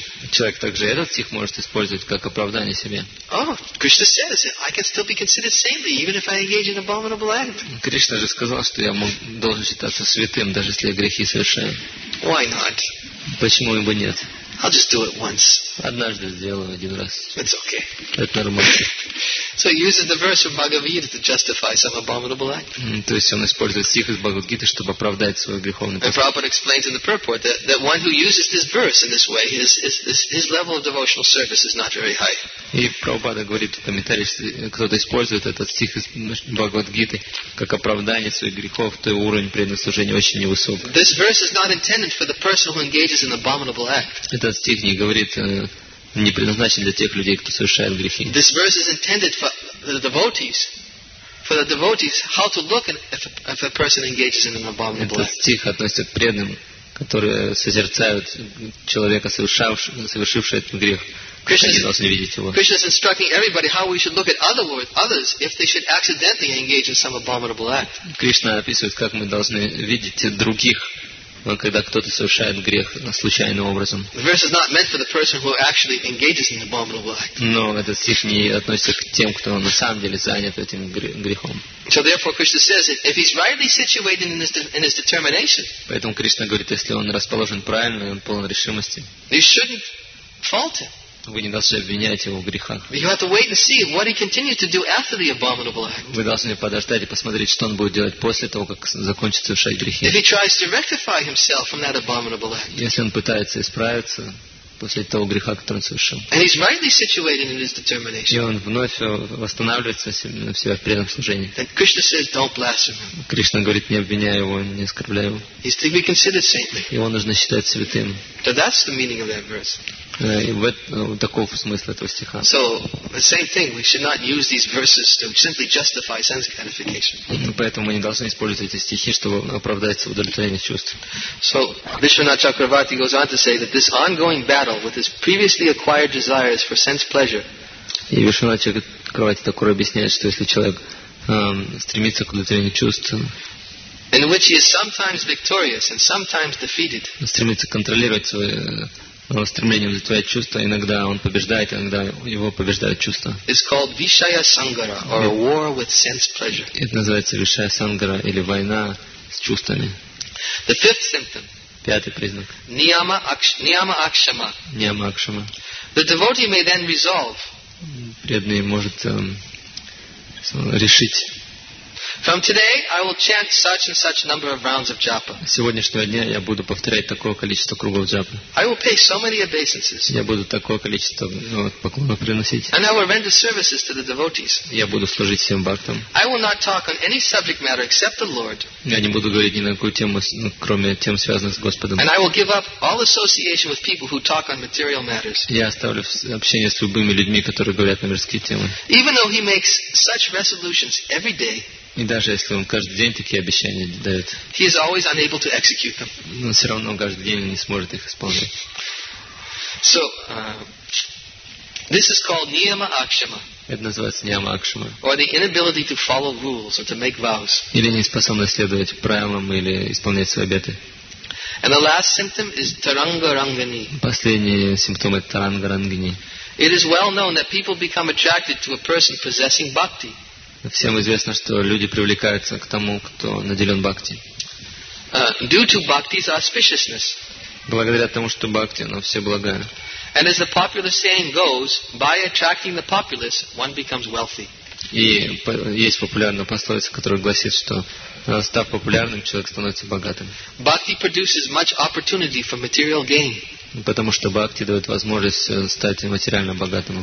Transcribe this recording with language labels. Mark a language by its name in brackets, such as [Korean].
[Russian] Человек также этот стих может использовать как оправдание себе. Кришна же сказал, что я должен считаться святым, даже если я грехи совершаю. Почему бы нет? [English] I'll just do it once. [Russian] Однажды сделаю один раз. [English] It's okay. [Russian] Это нормально. [English] So he uses the verse of Bhagavad Gita to justify some abominable act. [Russian] То есть он использует стих из Бхагавад Гиты, чтобы оправдать свой греховный поступок. [English] And Prabhupada explains in the purport that one who uses this verse in this way, his level of devotional service is not very high. [Russian] И Прабхупада говорит в комментарии, что кто-то использует этот стих из Бхагавад-гиты как оправдание своих грехов, то уровень преданного служения очень невысок. [English] This verse is not intended for the person who engages in abominable act. [Russian] Этот стих не говорит, не предназначен для тех людей, кто совершает грехи. [English] This verse is intended for the devotees. For the devotees, how to look if a person engages in an abominable act. [Russian] Этот стих относится к преданным, которые созерцают человека, совершившего этот грех. [English] Krishna is instructing everybody how we should look at others if they should accidentally engage in some abominable act. [Russian] Krishna описывает, как мы должны видеть других, когда кто-то совершает грех случайным образом. [English] The verse is not meant for the person who actually engages in the abominable act. [Russian] Но этот стих не относится к тем, кто на самом деле занят этим грехом. [English] So therefore, Krishna says that if he's rightly situated in his determination. [Russian] Поэтому Кришна говорит, если он расположен правильно, он полон решимости. [English] You shouldn't fault him. [Russian] Вы не должны обвинять его в грехах. [English] You have to wait and see what he continues to do after the abominable act. [Russian] Вы должны подождать и посмотреть, что он будет делать после того, как закончит совершать грехи. [English] If he tries to rectify himself from that abominable act. [Russian] Если он пытается исправиться после того греха, который он совершил. [English] And he's rightly situated in his determination. [Russian] И он вновь восстанавливается в себя в преданном служении. [English] Then Krishna says, "Don't blaspheme him." [Russian] Кришна говорит, не обвиняй его, не оскорбляй его. [English] He's to be considered saintly. [Russian] Его нужно считать святым. [English] So that's the meaning of that verse. [Russian] Таков смысл этого стиха. [English] So the same thing, we should not use these verses to simply justify sense gratification. [Russian] Поэтому мы не должны использовать эти стихи, чтобы оправдать удовлетворение чувств. [English] So Vishwanath Chakravarti goes on to say that this ongoing battle with his previously acquired desires for sense pleasure. [Russian] И Вишванат Чакраварти такое объясняет, что если человек стремится к удовлетворению чувств. [English] In which he is sometimes victorious and sometimes defeated. [Russian] Стремится контролировать свои стремлением удовлетворять чувства, иногда он побеждает, иногда его побеждают чувства. [English] It's called Vishaya Sangara or a war with sense pleasure. [Russian] Это называется Vishaya Sangara или война с чувствами. [English] The fifth symptom. [Russian] Пятый признак. [English] Niyama Akshama. The devotee may then resolve. [Russian] Преданный может решить. [English] From today, I will chant such and such number of rounds of japa. [Russian] С сегодняшнего дня я буду повторять такое количество кругов джапы. [English] I will pay so many obeisances. [Russian] Я буду такое количество поклонов приносить. [English] And I will render services to the devotees. [Russian] Я буду служить всем бхактам. [English] I will not talk on any subject matter except the Lord. [Russian] Я не буду говорить ни на какую тему, кроме тем, связанных с Господом. [English] And I will give up all association with people who talk on material matters. [Russian] Я оставлю общение с любыми людьми, которые говорят на мирские темы. [English] Even though he makes such resolutions every day. [Russian] И даже если он каждый день такие обещания дает, [English] he is always unable to execute them. [Russian] Но все равно каждый день он не сможет их исполнить. [English] So, this is called niyama akshama. [Russian] Это называется niyama akshama. [English] Or the inability to follow rules or to make vows. [Russian] Или неспособность следовать правилам или исполнять свои обеты. [English] And the last symptom is taranga rangani. [Russian] Последний симптом это таранга рангани. [English] It is well known that people become attracted to a person possessing bhakti. [Russian] Всем известно, что люди привлекаются к тому, кто наделен бхакти. [English] Due to bhakti's auspiciousness. [Russian] Благодаря тому, что бхакти, оно все благое. [English] And as the popular saying goes, by attracting the populace, one becomes wealthy. [Russian] И есть популярная пословица, которая гласит, что став популярным, человек становится богатым. [English] Bhakti produces much opportunity for material gain. [Russian] Потому что бхакти дает возможность стать материально богатым,